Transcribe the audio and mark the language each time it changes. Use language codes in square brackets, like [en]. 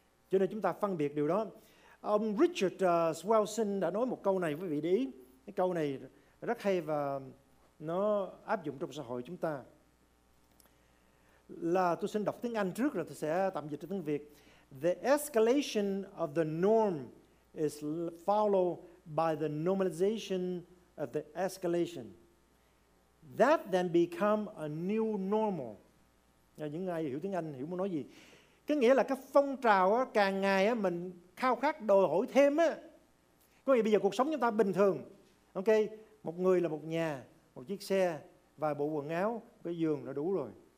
[vi] Cho nên chúng ta phân biệt điều đó. Ông Richard Swelson đã nói một câu này, quý vị để ý. Cái câu này rất hay và nó áp dụng trong xã hội chúng ta. Là tôi xin đọc tiếng Anh trước rồi tôi sẽ tạm dịch cho tiếng Việt. [en] The escalation of the norm is followed by the normalization of the escalation. That then become a new normal. [vi] Những ai hiểu tiếng Anh hiểu muốn nói gì. Có nghĩa là cái phong trào càng ngày mình khao khát đòi hỏi thêm. Có nghĩa bây giờ cuộc sống chúng ta bình thường. Ok, một người là một nhà, một chiếc xe, vài bộ quần áo, cái giường là đủ rồi.